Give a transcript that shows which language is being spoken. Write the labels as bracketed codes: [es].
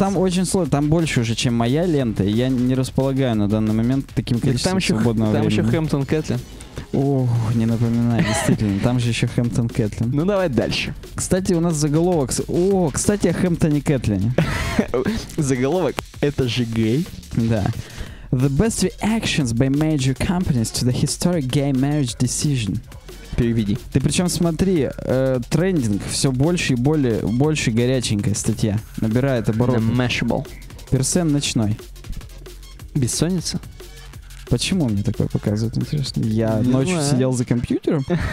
[ru] Там очень сложно, там больше уже, чем моя лента. Я не располагаю на данный момент таким количеством там еще, свободного там времени. Там еще Хэмптон Кэтлин. Ох, не напоминаю, действительно. Там же еще Хэмптон Кэтлин. Ну давай дальше. Кстати, у нас заголовок. О, кстати, о Хэмптоне Кэтлине. Заголовок. Это же гей. Да. [en] The best reactions by major companies to the historic gay marriage decision. [ru] Переведи. Ты причем смотри, трендинг все больше и более, больше горяченькая статья. Набирает обороты. [en] The Mashable. [ru] Персен ночной. Бессонница? Почему мне такое показывают, интересно? Я не ночью знаю. Сидел за компьютером.